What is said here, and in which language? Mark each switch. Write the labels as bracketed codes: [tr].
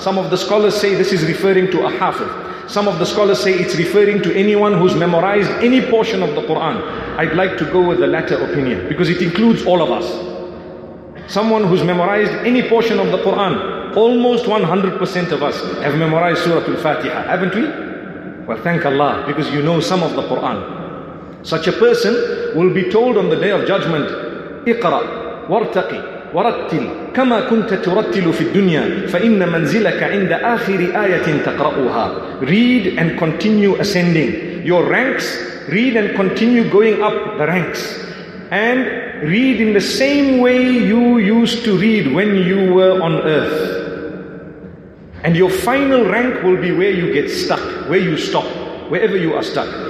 [en] Some of the scholars say this is referring to a hafiz. Some of the scholars say it's referring to anyone who's memorized any portion of the Quran. I'd like to go with the latter opinion because it includes all of us. Someone who's memorized any portion of the Quran, almost 100% of us have memorized Surah Al-Fatiha, haven't we? Well, thank Allah, because you know some of the Quran. Such a person will be told on the day of judgment, [ar] اقرأ وارتقي ورتل كما كنت ترتل في الدنيا فإن منزلك عند آخر آية تقرأها. [en] Read and continue ascending your ranks. Read and continue going up the ranks. And read in the same way you used to read when you were on earth. And your final rank will be where you get stuck, where you stop, wherever you are stuck.